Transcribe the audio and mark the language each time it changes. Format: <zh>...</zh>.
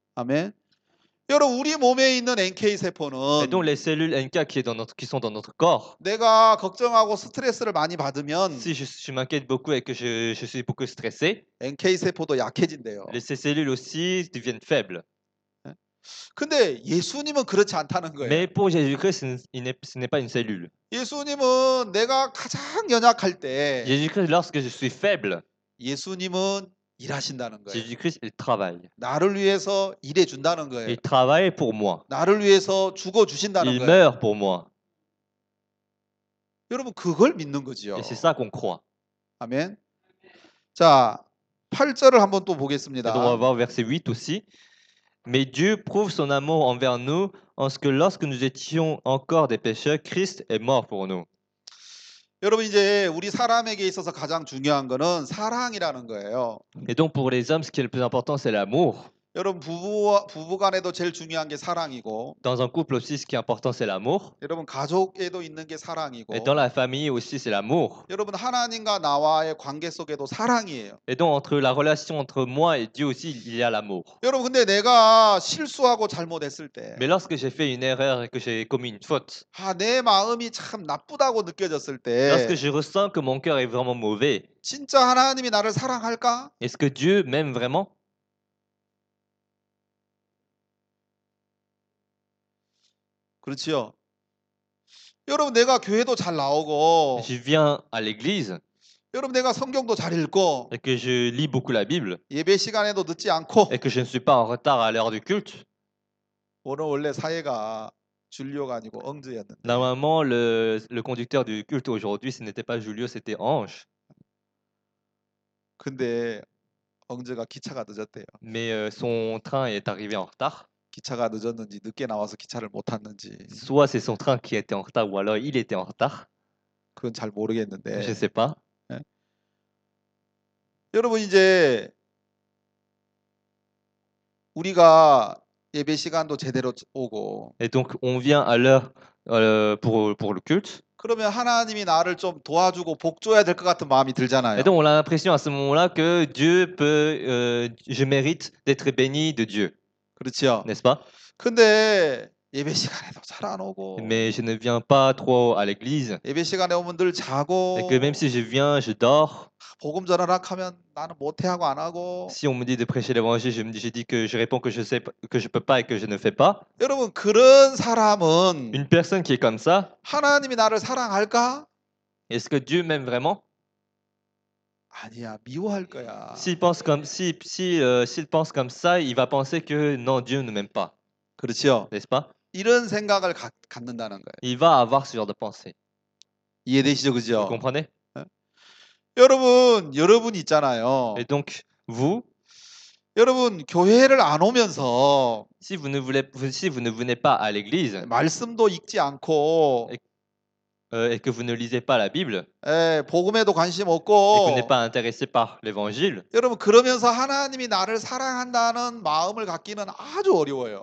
<ko>아멘. 여러분, 우리 몸에 있는 NK세포는</ko> <fr>Et donc les cellules NK qui sont dans notre corps</fr> <ko>내가 걱정하고 스트레스를 많이 받으면</ko> <fr>Si je m'inquiète beaucoup et que je suis beaucoup stressé</fr> <ko>NK세포도 약해진대요.</ko> <fr>Les cellules aussi deviennent faibles.</fr> <ko>근데 예수님은 그렇지 않다는 거예요.</ko> <fr>Mais pour Jésus-Christ, ce n'est pas une cellule.</fr> <ko>예수님은 내가 가장 연약할 때</ko> <fr>Jésus-Christ, lorsque je suis faible</fr> <ko>예수님은 일하신다는 거예요.</ko> <fr>Jésus-Christ il travaille.</fr> <ko>나를 위해서 일해 준다는 거예요.</ko> <fr>Il travaille pour moi.</fr> <ko>나를 위해서 죽어 주신다는</ko> <fr>il</fr> <ko>거예요.</ko> <fr>Il meurt pour moi.</fr> <ko>여러분, 그걸 믿는 거지요.</ko> <fr>Et c'est ça qu'on croit.</fr> <ko>아멘. 자, 8절을 한번 또 보겠습니다.</ko> <fr>Donc, on va voir verset 8 aussi. Mais Dieu prouve son amour envers nous en ce que lorsque nous étions encore des pécheurs, Christ est mort pour nous.</fr> <ko>여러분, 이제 우리 사람에게 있어서 가장 중요한 것은 사랑이라는 거예요.</ko> <fr>Et donc pour les hommes, ce qui est le plus important, c'est l'amour.</fr> <ko>여러분, 부부간에도 제일 중요한 게 사랑이고.</ko> <fr>Dans un couple aussi, ce qui est important, c'est l'amour.</fr> <ko>여러분, 가족에도 있는 게 사랑이고.</ko> <fr>Et dans la famille aussi, c'est l'amour.</fr> <ko>여러분, 하나님과 나와의 관계 속에도 사랑이에요.</ko> <fr>Et donc entre la relation entre moi et Dieu aussi, il y a l'amour.</fr> <ko>여러분, 근데 내가 실수하고 잘못했을 때.</ko> <fr>Mais lorsque j'ai fait une erreur et que j'ai commis une faute.</fr> <ko>아, 내 마음이 참 나쁘다고 느껴졌을 때.</ko> <fr>Lorsque je ressens que mon cœur est vraiment mauvais.</fr> <ko>진짜 하나님이 나를 사랑할까?</ko> <fr>Est-ce que Dieu m'aime vraiment?</fr> <ko>그렇지요. 여러분, 내가 교회도 잘 나오고,</ko> <fr>Je viens à l'église</fr> <ko>여러분, 내가 성경도 잘 읽고,</ko> <fr>et que je lis beaucoup la Bible</fr> <ko>예배 시간에도 늦지</ko> <fr>et</fr> <ko>않고,</ko> <fr>que je ne suis pas en retard à l'heure du culte.</fr> <ko>오늘 원래 사회가 줄리오가 아니고 엉즈였는데,</ko> <fr>Normalement, le conducteur du culte aujourd'hui, ce n'était pas Julio, c'était Ange.</fr> <ko>근데 엉즈가 기차가 늦었대요.</ko> <fr>Mais son train est arrivé en retard.</fr> <ko>기차가 늦었는지 늦게 나와서 기차를 못 탔는지</ko> <fr>Soit c'est son train qui était en retard, ou alors il était en retard.</fr> <ko>그건 잘 모르겠는데,</ko> <fr>Je ne sais pas.</fr> <ko>여러분, 이제 우리가 예배 시간도 제대로 오고,</ko> <fr>Et donc, on vient à l'heure pour le culte.</fr> <ko>그러면 하나님이 나를 좀 도와주고 복줘야 될것 같은 마음이</ko> <fr>Et</fr> <ko>들잖아요.</ko> <fr>donc, on a l'impression à ce moment-là que Dieu peut. Je mérite d'être béni de Dieu.</fr> <ko>그렇죠?</ko> <fr>N'est-ce pas?</fr> <ko>근데 예배 시간에도 잘안 오고,</ko> <fr>Mais je ne viens pas trop à l'église.</fr> <ko>예배 시간에 오면 늘</ko> <fr>Et que même</fr> <ko>자고,</ko> <fr>si je viens, je dors.</fr> <ko>복음 전하라 하면 나는 못해 하고 안 하고.</ko> <fr>Si on me dit de prêcher l'évangile, je dis que je réponds que je sais, que je peux pas et que je ne fais pas.</fr> <ko>여러분, 그런 사람은</ko> <fr>Une personne qui est comme ça,</fr> <ko>하나님이 나를 사랑할까?</ko> <fr>est-ce que Dieu m'aime vraiment?</fr> <ko>아니야, 미워할 거야.</ko> <fr>S'il pense comme s'il pense comme ça, il va penser que non, Dieu ne m'aime pas,</fr> <ko>그렇죠?</ko> <fr>n'est-ce pas?</fr> <ko>이런 생각을 갖는다는 거예요.</ko> <fr>Il va avoir ce genre de pensée.</fr> <ko>이해되시죠,</ko> <fr>Vous</fr> <ko>그죠?</ko> <fr>comprenez?</fr> <ko>여러분 있잖아요.</ko> <fr>Et donc, vous,</fr> <ko>여러분, 교회를 안 오면서</ko> <fr>si vous ne venez pas à l'église,</fr> <ko>말씀도 읽지 않고,</ko> <fr>Et que vous ne lisez pas la Bible,</fr> <ko>복음에도 관심</ko> <fr>et que vous n'êtes</fr> <ko>없고,</ko> <fr>pas intéressé par l'évangile,</fr> <ko>여러분, 그러면서 하나님이 나를 사랑한다는 마음을 갖기는 아주 어려워요.</ko>